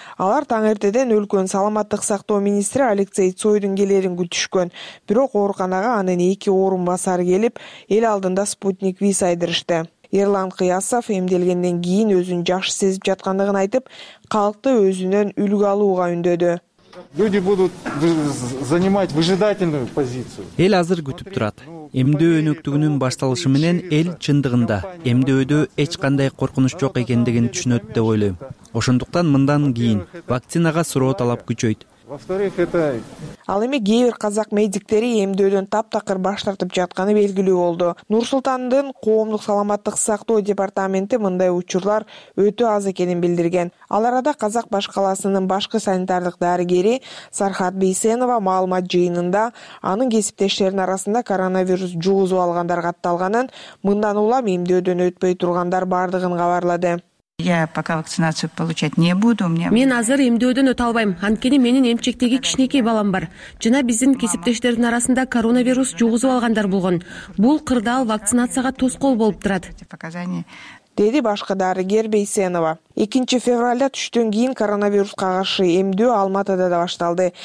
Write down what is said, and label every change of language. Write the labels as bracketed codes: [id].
[ky] Алар таңертеден өлкөнүн саламаттык сактоо министри Алексей Цойдун келерин күтүшкөн. Бирок ооруканага анын 2 орун басары келип, эл алдында спутник V айдырышты. Ерлан Кыясов эмделгенден кийин өзүн жакшы сезип жаткандыгын айтып, калкты өзүнөн үлгү алууга үндөдү. [ru] Люди будут занимать выжидательную позицию. [ky] Эл азыр күтүп турат. Эмдөө өнөктүгүнүн башталышы менен эл чындыгында эмдөөдө эч кандай коркунуч жок экендигин түшүнөт деп ойлойм. Ошондуктан мындан кийин вакцинага суроо талап күчөйт. Ал эми кээ бир казак медиктери эмдөөдөн таптакыр баш тартып жатканы белгилүү болду. Нур Султандын коомдук саламаттык сактоо департаменти мындай учурлар өтө аз экенин билдирген. Ал арада Казак баш калаасынын башкы санитардык дарыгери Сархат Бейсенова маалымат жыйынында анын кесиптештерин арасында коронавирус жугузуп алгандар катталганын, мындан улам эмдөөдөн өтпөй тургандар бардыгын кабарлады. [ru] Я пока вакцинацию получать не буду. [ky] Мен азыр эмдөөдөн өтө албайм. Анткени менин эмчектеги кичинекей балам бар. Жана биздин кесиптештердин арасында коронавирус жугузуп алгандар болгон. Бул кырдаал вакцинацияга тоскоол болуп турат. Деди башкы дарыгер Бейсенова. 2 февралда түштөн кийин коронавируска каршы эмдөө Алматыда да башталды.